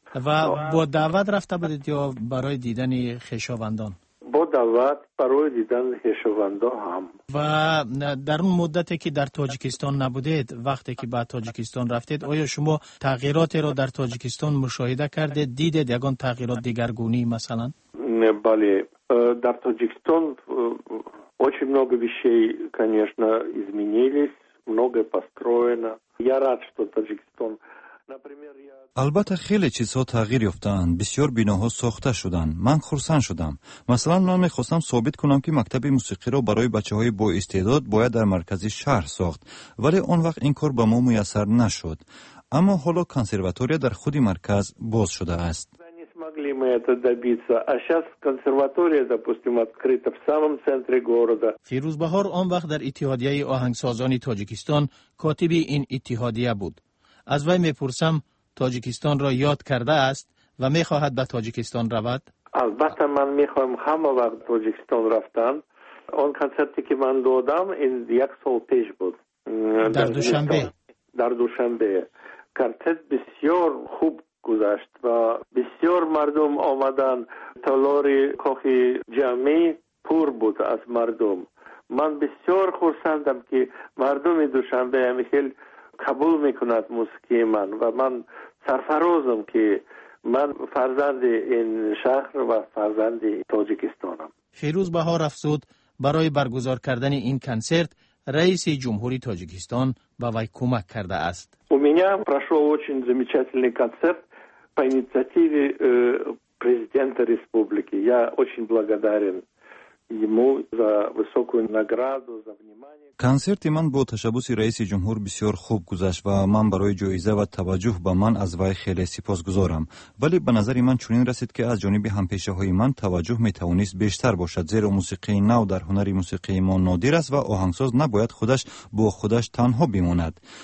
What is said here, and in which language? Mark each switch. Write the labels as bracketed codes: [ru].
[fa] و با دعوت رفته بودید یا برای دیدن خویشاوندان؟ با با دعوت برای دیدن هیشوندان هم. و در اون مدتی که در تاجیکستان نبودید، وقتی که به تاجیکستان رفتید، آیا شما تغییرات را در تاجیکستان مشاهده کردید؟ دیدید یکان تغییرات دیگرگونی مثلا؟ نه، بله. در تاجیکستان [ru] очень много вещей, конечно, изменились, много построено. Я рад, что Таджикистан. [fa] البته خیلی چیزها تغییر یافتند، بسیار بناها ساخته شدند. من خرسند شدم. مثلا من میخواستم ثابت کنم که مکتب موسیقی را برای بچه های با استعداد باید در مرکزی شهر ساخت، ولی اون وقت این کار با ما میسر نشد. اما حالا کنسرواتوری در خود مرکز باز شده است. [ru] Могли мы это добиться. А сейчас консерватория, допустим, открыта в самом центре города. [tg] Фируз Бахор он вақт дар иттиҳодияи оҳангсозони Тоҷикистон котиби ин иттиҳодия буд. Аз вай мепурсам, Тоҷикистонро ёд кардааст ва мехоҳад ба Тоҷикистон равад? Албатта, ман мехоҳам ҳама вақт Тоҷикистон рафтан. Он концерти ки ман додам, ин як сол пеш буд. Дар Душанбе. Дар Душанбе. Концерт бисёр хуб [fa] گذشت و بسیار مردم آمدند. تالار کاخ جمعی پر بود از مردم. من بسیار خرسندم که مردم دوشنبه همیشه قبول میکند موسیقی من و من سرفرازم که من فرزند این شهر و فرزند تاجیکستانم. فیروز بهار افزود برای برگزار کردن این کنسرت رئیس جمهوری تاجیکستان با وی کمک کرده است. [ru] У меня прошел очень замечательный концерт по инициативе президента республики. Я очень благодарен ему за высокую награду, за внимание. [tg] Концерт иман бо ташаббуси раиси ҷумҳур бисёр хуб гузашт ва ман барои ҷоиза ва таваҷҷӯҳ ба ман аз вай хеле сипосгузорам. Вале ба назари ман чунин расид ки аз ҷониби ҳампешаҳои ман таваҷҷӯҳ метавонист бештар бошад, зеро мусиқии нав дар ҳунари мусиқии мо нодир аст ва оҳангсоз набояд худаш бо худаш танҳо бимонад.